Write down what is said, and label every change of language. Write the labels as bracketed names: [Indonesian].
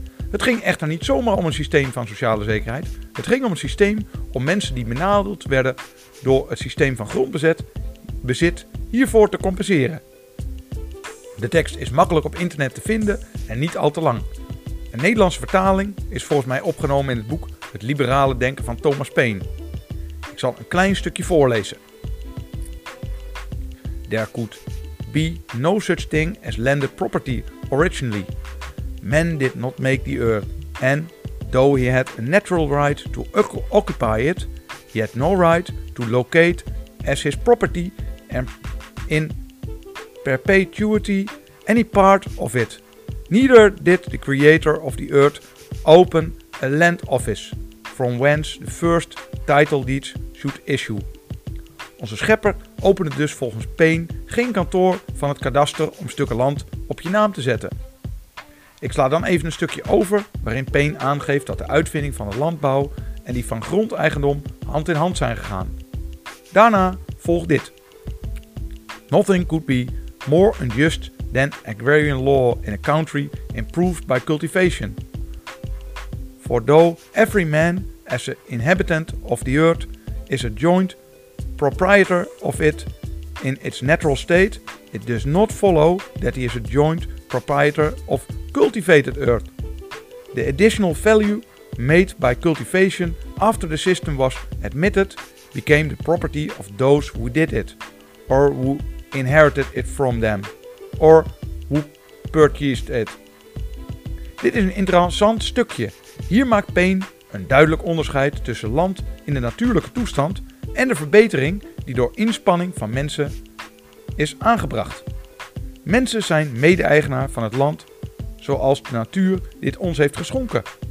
[Dutch] Het ging echter niet zomaar om een systeem van sociale zekerheid. Het ging om een systeem om mensen die benadeeld werden door het systeem van grondbezit hiervoor te compenseren. De tekst is makkelijk op internet te vinden en niet al te lang. Een Nederlandse vertaling is volgens mij opgenomen in het boek Het Liberale Denken van Thomas Paine. Ik zal een klein stukje voorlezen. [English] There could be no such thing as landed property originally. Man did not make the earth, and though he had a natural right to occupy it, he had no right to locate as his property and in perpetuity any part of it. Neither did the creator of the earth open a land office, from whence the first title deeds should issue. [Dutch] Onze schepper opende dus volgens Paine geen kantoor van het kadaster om stukken land op je naam te zetten. Ik sla dan even een stukje over waarin Paine aangeeft dat de uitvinding van de landbouw en die van grondeigendom hand in hand zijn gegaan. Daarna volgt dit. [English] Nothing could be more unjust than agrarian law in a country improved by cultivation. For though every man as an inhabitant of the earth is a joint proprietor of it in its natural state, it does not follow that he is a joint proprietor of cultivated earth. The additional value made by cultivation after the system was admitted became the property of those who did it, or who inherited it from them, or who purchased it. [Dutch] Dit is een interessant stukje. Hier maakt Payne een duidelijk onderscheid tussen land in de natuurlijke toestand en de verbetering die door inspanning van mensen is aangebracht. Mensen zijn mede-eigenaar van het land zoals de natuur dit ons heeft geschonken.